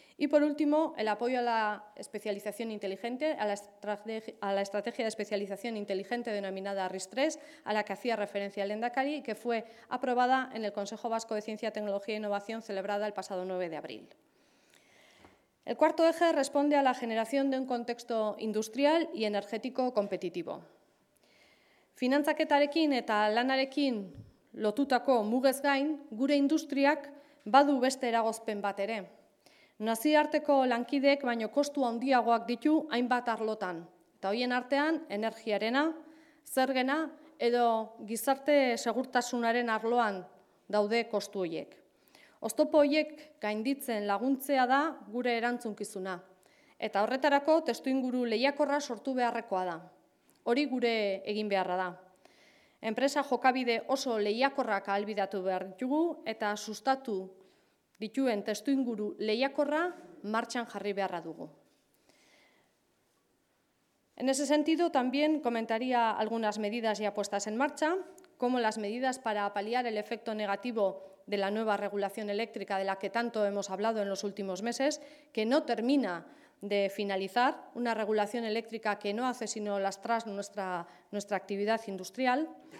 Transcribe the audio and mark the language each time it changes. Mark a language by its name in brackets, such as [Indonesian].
[Spanish] Y, por último, el apoyo a la especialización inteligente, a la estrategia de especialización inteligente denominada RIS3, a la que hacía referencia el Lehendakari, que fue aprobada en el Consejo Vasco de Ciencia, Tecnología e Innovación, celebrada el pasado 9 de abril. El cuarto eje responde a la generación de un contexto industrial y energético competitivo. [Basque] Finantzaketarekin eta lanarekin lotutako mugez gain, gure industriak badu beste eragozpen bat ere. Nazioarteko lankideek baino kostu handiagoak ditu hainbat arlotan, eta hoien artean energiarena, zergena edo gizarte segurtasunaren arloan daude kostu horiek. Oztopo horiek gainditzen laguntzea da gure erantzunkizuna, eta horretarako testuinguru lehiakorra sortu beharrekoa da. Hori gure egin beharra da. Enpresa jokabide oso lehiakorrak ahalbidatu behar ditugu eta sustatu dituen testuinguru lehiakorra martxan jarri beharra dugu. [Spanish] En ese sentido, también comentaría algunas medidas ya puestas en marcha, como las medidas para paliar el efecto negativo de la nueva regulación eléctrica de la que tanto hemos hablado en los últimos meses, que no termina de finalizar, una regulación eléctrica que no hace sino lastrar nuestra actividad industrial,